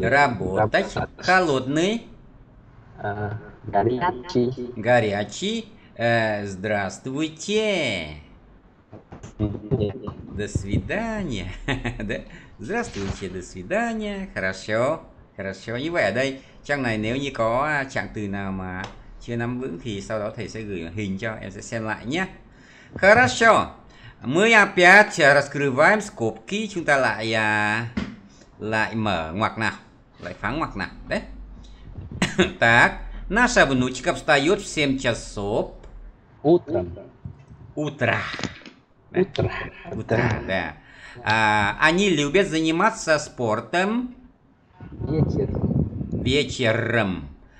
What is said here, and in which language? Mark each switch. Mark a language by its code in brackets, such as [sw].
[ru] Работать. Холодный. Горячий. Горячий. Здравствуйте. До свидания. Да? Здравствуйте, до свидания. Хорошо. Хорошо. [vi] Như vậy ở đây, trang này nếu như có trạng từ nào mà chưa nắm vững thì sau đó thầy sẽ gửi hình cho em sẽ xem lại nhé. [ru] Хорошо. Мы опять раскрываем скобки. [vi] Chúng ta lại lại mở ngoặc nào. Lại phá ngoặc nào. Đấy. [ru] Так. Наша внучка встает в 7 часов. Утром. Утро. Утро. Утро, да. Они любят заниматься спортом вечером.